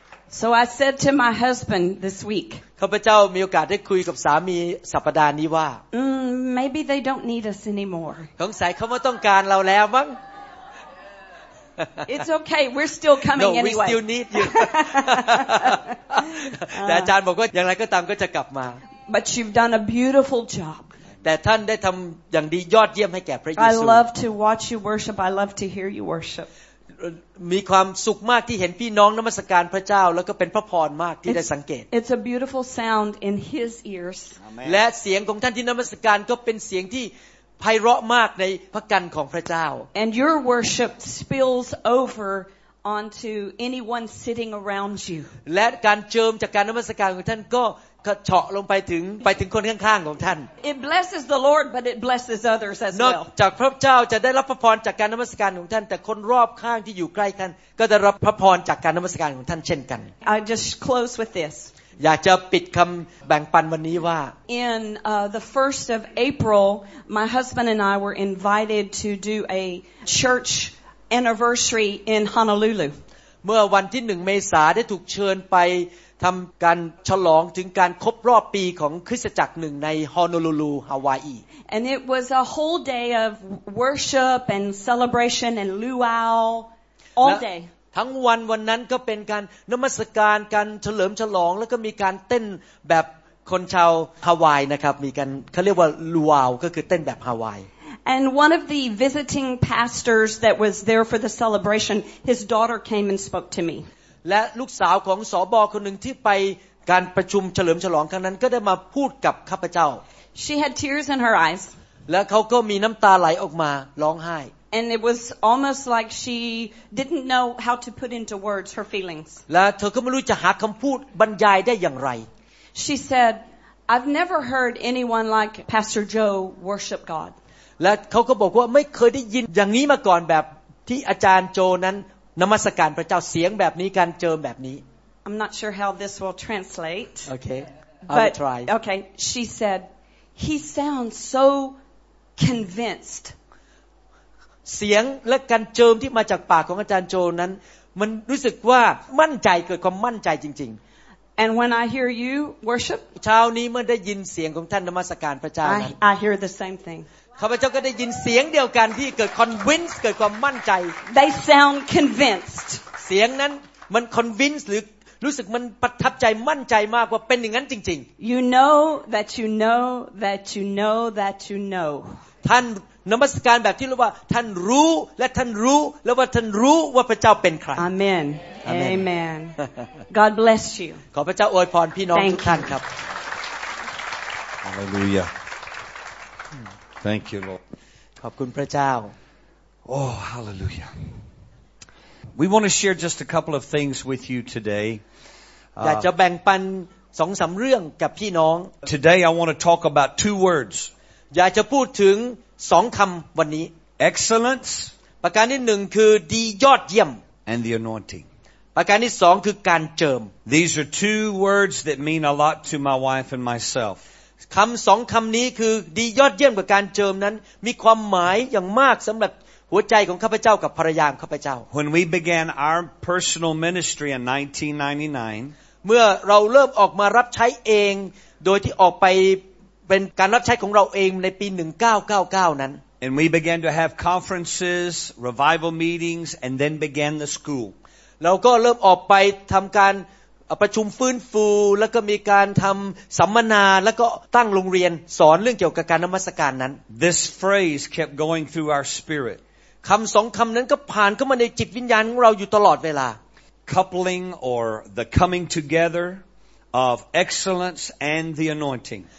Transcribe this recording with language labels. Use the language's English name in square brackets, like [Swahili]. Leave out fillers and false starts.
[English] So I said to my husband this week. [Thai] ข้าพเจ้ามีโอกาสได้คุยกับสามีสัปดาห์นี้ว่า [English] maybe they don't need us anymore [Thai] สงสัยเขาไม่ต้องการเราแล้วมั้ง [English] it's okay we're still coming anyway no we still need you [Thai] แต่อาจารย์บอกว่าอย่างไรก็ตามก็จะกลับมา [English] but you've done a beautiful job [Thai] แต่ท่านได้ทำอย่างดียอดเยี่ยมให้แก่พระเยซู [English] I love to watch you worship I love to hear you worship [Thai] มีความสุขมากที่เห็นพี่น้องนมัสการพระเจ้าแล้วก็เป็นพระพรมากที่ได้สังเกต [English] It's a beautiful sound in his ears [Thai] และเสียงของท่านที่นมัสการก็เป็นเสียงที่ไพเราะมากในพระกันของพระเจ้า [English] And your worship spills over onto anyone sitting around you [Thai] และการเจิมจากการนมัสการของท่านก็ก็เฉาะลงไปถึงคนข้างๆของท่าน [English] It blesses the Lord but it blesses others as well [Thai] นอกจากพระเจ้าจะได้รับพระพรจากการนมัสการของท่านแต่คนรอบข้างที่อยู่ใกล้ท่านก็จะรับพระพรจากการนมัสการของท่านเช่นกัน [English] I just close with this [Thai] อยากจะปิดคําแบ่งปันวันนี้ว่า [English] In the 1st of April my husband and I were invited to do a church anniversary in Honolulu [Thai] เมื่อวันที่1เมษายนได้ถูกเชิญไปทำการฉลองถึงการครบรอบปีของคริสตจักรหนึ่งในฮอนูลูลูฮาวายอี [English] And it was a whole day of worship and celebration and luau all day [Thai] ทั้งวันวันนั้นก็เป็นการนมัสการการเฉลิมฉลองแล้วก็มีการเต้นแบบคนชาวฮาวายนะครับมีการเขาเรียกว่าลูอาวก็คือเต้นแบบฮาวาย [English] And one of the visiting pastors that was there for the celebration his daughter came and spoke to me [Thai] และลูกสาวของสบคนหนึ่งที่ไปการประชุมเฉลิมฉลองครั้งนั้นก็ได้มาพูดกับข้าพเจ้า [English] She had tears in her eyes [Thai] และเขาก็มีน้ำตาไหลออกมาร้องไห้ [English] And it was almost like she didn't know how to put into words her feelings [Thai] และเธอก็ไม่รู้จะหาคำพูดบรรยายได้อย่างไร [English] She said I've never heard anyone like Pastor Joe worship God [Thai] และเขาก็บอกว่าไม่เคยได้ยินอย่างนี้มาก่อนแบบที่อาจารย์โจนั้นนมัสการพระเจ้าเสียงแบบนี้การเจิมแบบนี้ [English] I'm not sure how this will translate Okay I'll try Okay she said he sounds so convinced [Thai] เสียงและการเจิมที่มาจากปากของอาจารย์โจนั้นมันรู้สึกว่ามั่นใจเกิดความมั่นใจจริง [English] ๆ And when I hear you worship [Thai] เช้านี้เมื่อได้ยินเสียงของท่านนมัสการพระเจ้านั้น [English] I hear the same thing [Thai] ข้าพเจ้าก็ได้ยินเสียงเดียวกันที่เกิด convince เกิดความมั่นใจ [English] They sound convinced [Thai] เสียงนั้นมัน convince หรือรู้สึกมันประทับใจมั่นใจมากว่าเป็นอย่างนั้นจริง [English] ๆ You know that you know that you know that you know [Thai] ท่านนมัสการแบบที่เรียกว่าท่านรู้และท่านรู้แล้วว่าท่านรู้ว่าพระเจ้าเป็นใคร [English] Amen Amen God bless you [Thai] ขอพระเจ้าอวยพรพี่น้องทุกท่านครับ [English] HallelujahThank you, Lord. [Thai] ขอบคุณพระเจ้า [English] Oh, hallelujah. We want to share just a couple of things with you today. [Thai] อยากจะแบ่งปันสองสามเรื่องกับพี่น้อง [English] Today, I want to talk about two words. [Thai] อยากจะพูดถึงสองคำวันนี้ [English] Excellence. [Thai] ประการที่หนึ่งคือดียอดเยี่ยม [English] And the anointing. [Thai] ประการที่สองคือการเจิม [English] These are two words that mean a lot to my wife and myself. [Thai] คำสองคำนี้คือดียอดเยี่ยมกับการเจิมนั้นมีความหมายอย่างมากสำหรับหัวใจของข้าพเจ้ากับภรรยาข้าพเจ้า [English] When we began our personal ministry in 1999 [Thai] เมื่อเราเริ่มออกมารับใช้เองโดยที่ออกไปเป็นการรับใช้ของเราเองในปี1999นั้น [English] And we began to have conferences, revival meetings, and then began the school [Thai] เราก็เริ่มออกไปทำการ ประชุมฟื้นฟูแล้วก็มีการทำสัมมนาแล้วก็ตั้งโรงเรียนสอนเรื่องเกี่ยวกับการนมัสการนั้น [English] This phrase kept going through our spirit [Thai] คำสองคำนั้นก็ผ่านเข้ามาในจิตวิญญาณของเราอยู่ตลอดเวลา [English] Coupling or the coming together of excellence and the anointing